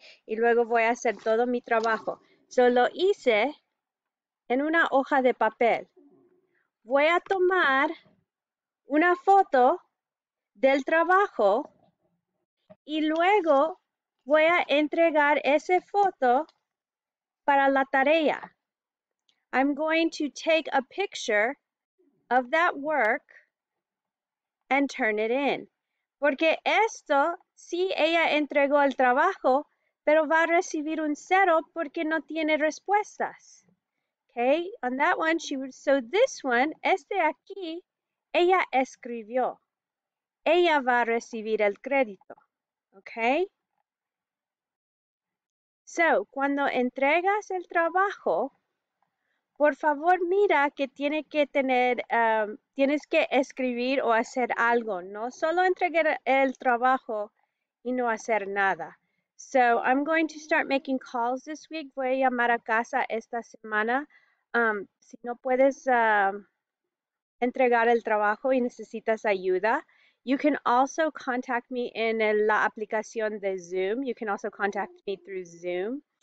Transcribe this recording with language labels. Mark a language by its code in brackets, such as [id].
[es] Y luego voy a hacer todo mi trabajo. So, lo hice en una hoja de papel. Voy a tomar una foto del trabajo y luego voy a entregar esa foto para la tarea. [en] I'm going to take a picture of that work and turn it in. [es] Porque esto, sí, ella entregó el trabajo, pero va a recibir un cero porque no tiene respuestas. [en] Okay, on that one, so this one, [es] este aquí, ella escribió. Ella va a recibir el crédito. Okay. So, cuando entregas el trabajo, por favor, mira que tienes que escribir o hacer algo, no solo entregar el trabajo y no hacer nada. [en] So, I'm going to start making calls this week. [es] Voy a llamar a casa esta semana. Si no puedes entregar el trabajo y necesitas ayuda, [en] you can also contact me [es] en la aplicación de Zoom. [en] You can also contact me through Zoom.